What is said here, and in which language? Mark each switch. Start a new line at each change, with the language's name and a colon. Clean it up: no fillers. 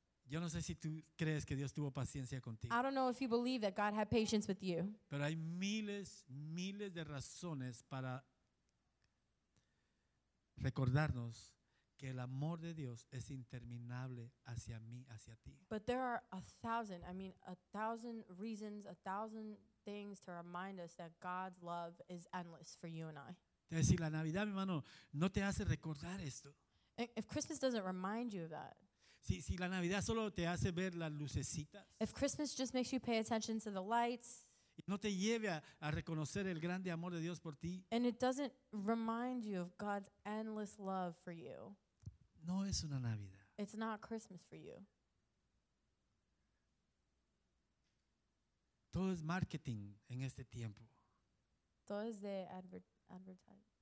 Spanish: Yo no sé si tú crees que Dios tuvo paciencia contigo.
English: I don't know if you believe that God had patience with you.
Spanish: Pero hay miles de razones para recordarnos que el amor de Dios es interminable hacia mí, hacia ti.
English: But there are a thousand reasons, a thousand things to remind us that God's love is endless for you and I.
Spanish: Es decir, la Navidad, mi hermano, no te hace recordar esto.
English: If Christmas doesn't remind you of that.
Spanish: Si la Navidad solo te hace ver las lucecitas.
English: If Christmas just makes you pay attention to the lights.
Spanish: No te lleve a reconocer el grande amor de Dios por ti.
English: And it doesn't remind you of God's endless love for you.
Spanish: No es una Navidad.
English: It's not Christmas for you.
Spanish: Todo es marketing en este tiempo. Todo es de advertising.